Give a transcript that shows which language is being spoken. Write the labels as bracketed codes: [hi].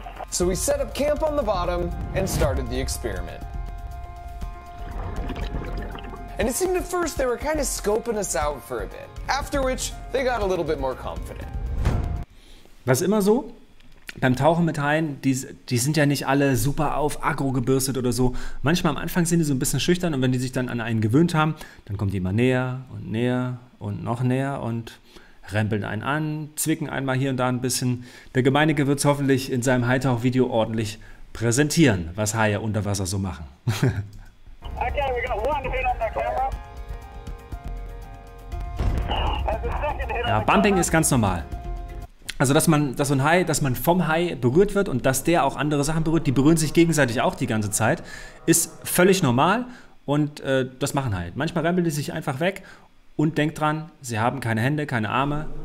[en] So we set up camp on the bottom and started the experiment. And it seemed at first they were kind of scoping us out for a bit. After which they got a little bit more confident. [de] Was immer so, beim Tauchen mit Haien, die sind ja nicht alle super auf Aggro gebürstet oder so. Manchmal am Anfang sind die so ein bisschen schüchtern und wenn die sich dann an einen gewöhnt haben, dann kommen die immer näher und näher und noch näher und rempeln einen an, zwicken einmal hier und da ein bisschen. Der Gemeinige wird es hoffentlich in seinem Haitauch-Video ordentlich präsentieren, was Haie unter Wasser so machen. [en] Okay, we got one hit on the camera. [de] Ja, Bumping ist ganz normal. Also, dass man vom Hai berührt wird und dass der auch andere Sachen berührt, die berühren sich gegenseitig auch die ganze Zeit, ist völlig normal und das machen Haie. Manchmal rempeln die sich einfach weg. Und denkt dran, sie haben keine Hände, keine Arme.